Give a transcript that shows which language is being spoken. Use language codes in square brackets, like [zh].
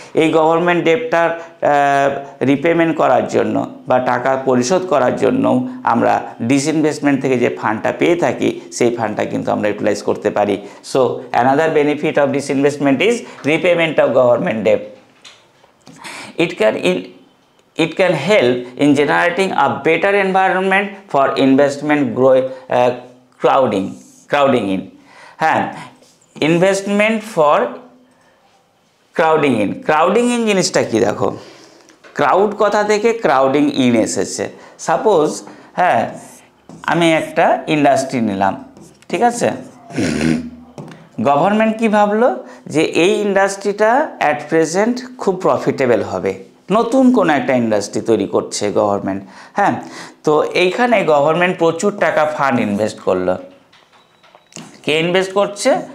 [bn] এই government ডেটটার repayment করার জন্য বা টাকা পরিশোধ করার জন্যও আমরা ডিস ইনভেস্টমেন্ট থেকে যে ফান্ডটা পেয়ে থাকি সেই ফান্ডটা কিন্তু আমরা ইউটিলাইজ করতে পারি। [en] So another benefit of this investment is repayment of government debt. It can help in generating a better environment for investment crowding in. [bn] হ্যাঁ, [en] investment for crowding in [bn] জিনিসটা কী, দেখো ক্রাউড কথা থেকে ক্রাউডিং ইন এসেছে। Suppose, হ্যাঁ আমি একটা industry নিলাম, ঠিক আছে, গভর্নমেন্ট কী ভাবলো যে এই ইন্ডাস্ট্রিটা [en] at present [bn] খুব প্রফিটেবল হবে, নতুন কোনো একটা ইন্ডাস্ট্রি তৈরি করছে গভর্নমেন্ট, হ্যাঁ তো এইখানে গভর্নমেন্ট প্রচুর টাকা ফান্ড ইনভেস্ট করলো। কে ইনভেস্ট করছে?